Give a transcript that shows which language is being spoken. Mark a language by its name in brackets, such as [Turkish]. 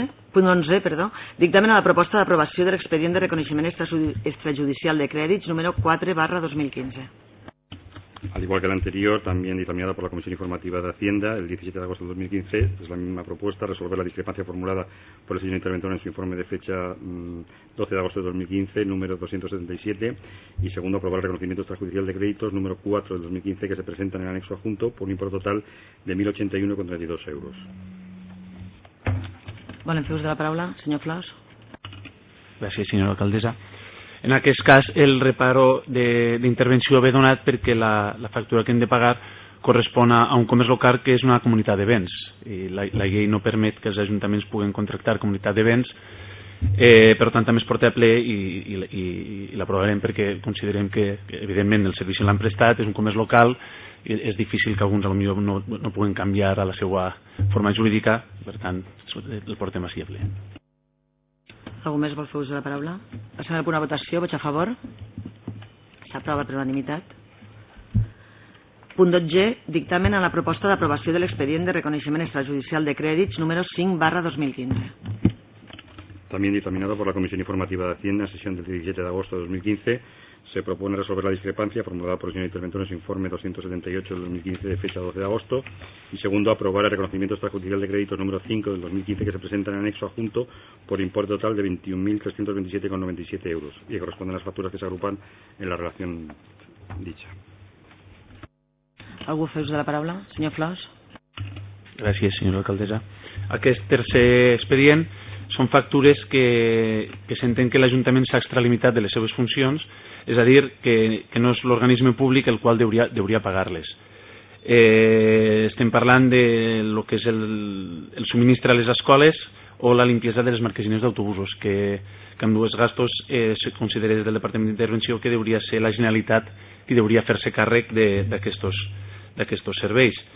[Catalan] Punt 11, dictamen a la proposta d'aprovació de l'expedient de reconeixement extrajudicial de crèdits número 4/2015. [Spanish] Al igual que la anterior, también dictaminada por la Comisión Informativa de Hacienda el 17 de agosto de 2015, es la misma propuesta, resolver la discrepancia formulada por el señor interventor en su informe de fecha 12 de agosto de 2015, número 277, y segundo, aprobar el reconocimiento extrajudicial de créditos número 4 de 2015 que se presenta en el anexo adjunto por un importe total de 1.081,32 euros. [Catalan] Bueno, en fius de la paraula, señor Flaus. [Spanish] Gracias, señora alcaldesa. [Catalan] En aquest cas, el reparo d'intervenció ve donat perquè la factura que hem de pagar correspon a un comerç local que és una comunitat de béns. I la llei no permet que els ajuntaments puguin contractar comunitat de béns, per tant, també es porta a ple i l'aprovarem perquè considerem que, evidentment, el servei l'han prestat, és un comerç local, i és difícil que alguns potser no puguin canviar a la seva forma jurídica, per tant, el portem així a ple. Algú més vol fer ús de la paraula? Passem a una votació. Vots a favor? S'aprova per unanimitat. Punt 12. Dictamen a la proposta d'aprovació de l'expedient de reconeixement extrajudicial de crèdits número 5/2015. [Spanish] También dictaminado por la Comisión Informativa de Hacienda, sesión del 17 de agosto de 2015, se propone resolver la discrepancia formulada por el señor interventor en su informe 278 del 2015 de fecha 12 de agosto y segundo, aprobar el reconocimiento extrajudicial de créditos número 5 del 2015 que se presenta en el anexo adjunto por importe total de 21.327,97 euros y que corresponden a las facturas que se agrupan en la relación dicha. [Catalan] ¿Algú fa ús de la paraula? Senyor Flors. Gràcies, senyora alcaldessa. Aquest tercer expedient són factures que s'entén que l'Ajuntament s'ha extralimitat de les seves funcions, és a dir, que no és l'organisme públic el qual deuria pagar-les. Estem parlant de lo que és el subministre a les escoles o la limpiesa de les marquesines d'autobusos, que amb dues gastos se considera des del Departament d'Intervenció que deuria ser la Generalitat qui deuria fer-se càrrec d'aquests serveis.